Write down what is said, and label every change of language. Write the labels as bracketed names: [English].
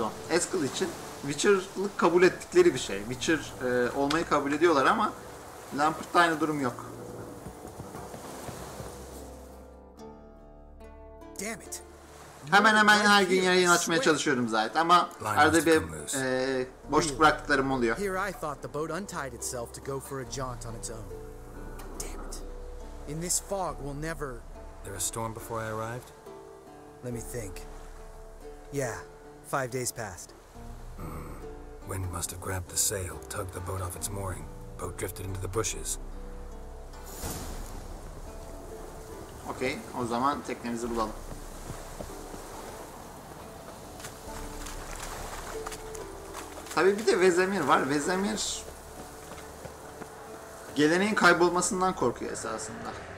[Turkish] Eskil için Witcher'lık kabul ettikleri bir şey. Witcher olmayı kabul ediyorlar ama Lambert'ta aynı durum yok. Hemen hemen her gün yayın açmaya çalışıyorum zaten ama arada bir boşluk bıraktıklarım oluyor. [English] Here I thought the boat untied itself to go for a jaunt on its own. Damn it. In this fog we'll never. There a storm before I arrived? Let me think. Yeah, 5 days passed. Wind must have grabbed the sail, tugged the boat off its mooring. Boat drifted into the bushes. [Turkish] Okay, o zaman teknemizi bulalım. Tabii bir de Vezemir var. Vezemir geleneğin kaybolmasından korkuyor esasında.